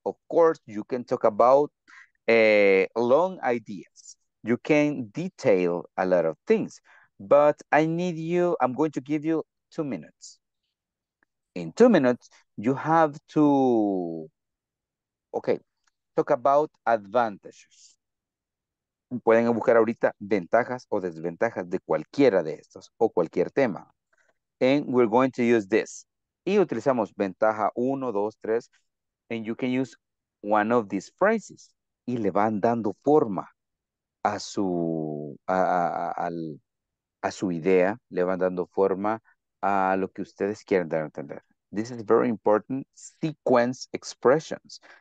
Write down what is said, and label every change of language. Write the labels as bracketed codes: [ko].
[en] Of course, you can talk about long ideas. You can detail a lot of things, but I'm going to give you 2 minutes. In 2 minutes, you have to, okay, talk about advantages. [es] Pueden buscar ahorita ventajas o desventajas de cualquiera de estos o cualquier tema. [en] And we're going to use this. [es] Y utilizamos ventaja 1, 2, 3. [en] And you can use one of these phrases. [es] Y le van dando forma a su, a su idea. Le van dando forma a lo que ustedes quieren dar a entender. [en] This is very important. Sequence expressions.